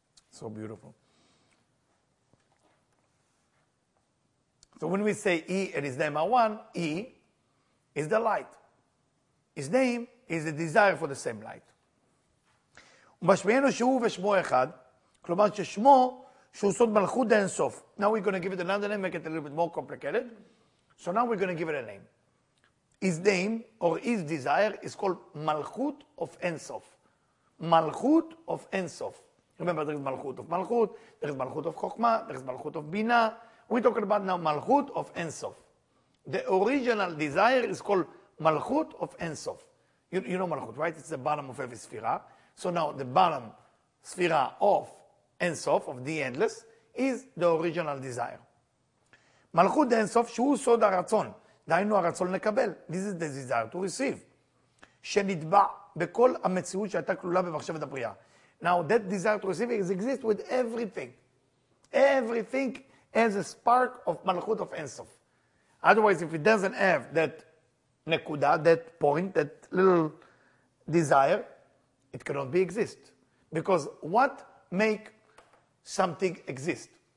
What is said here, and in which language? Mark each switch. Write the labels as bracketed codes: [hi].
[en] So beautiful. So when we say E and his name are one, E is the light. His name is the desire for the same light. [he] ומשמיענו שהוא ושמו אחד, כלומר ששמו שהוא סוד מלכות אין סוף. [en] Now we're going to give it another name, make it a little bit more complicated. So now we're going to give it a name. His name or his desire is called מלכות of אין סוף. מלכות of אין סוף. Remember, there is Malchut of Malchut, there is Malchut of Chokmah, there is Malchut of Bina. We're talking about now Malchut of En Sof. The original desire is called Malchut of En Sof. You know Malchut, right? It's the bottom of every Sfira. So now the bottom Sfira of En Sof, of the endless, is the original desire. [he] Malchut En Sof, שהוא סוד הרצון. דיינו הרצון לקבל. [en] This is the desire to receive. [he] שנדבע בכל המציאות שהייתה כלולה במחשבת הבריאה. [en] Now, that desire to receive it exists with everything. Everything has a spark of Malchut of Ein Sof. Otherwise, if it doesn't have that nekuda, that point, that little desire, it cannot be exist. Because what makes something exist?